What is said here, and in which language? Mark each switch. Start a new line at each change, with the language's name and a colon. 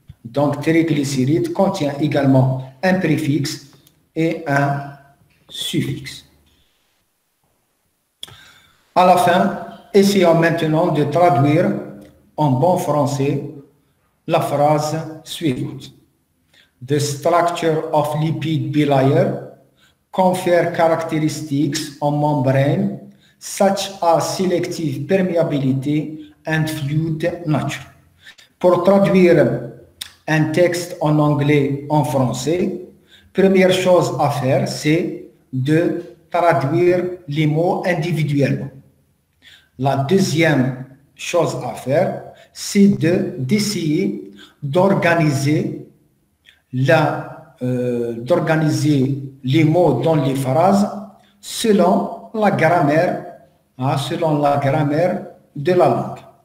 French: Donc, triglycéride contient également un préfixe et un suffixe. À la fin, essayons maintenant de traduire en bon français la phrase suivante.
English: The structure of lipid bilayer confers characteristics on membrane such as selective permeability and fluid nature.
French: Pour traduire un texte en anglais, en français, première chose à faire, c'est de traduire les mots individuellement. La deuxième chose à faire, c'est d'essayer d'organiser les mots dans les phrases selon la grammaire, hein, selon la grammaire de la langue.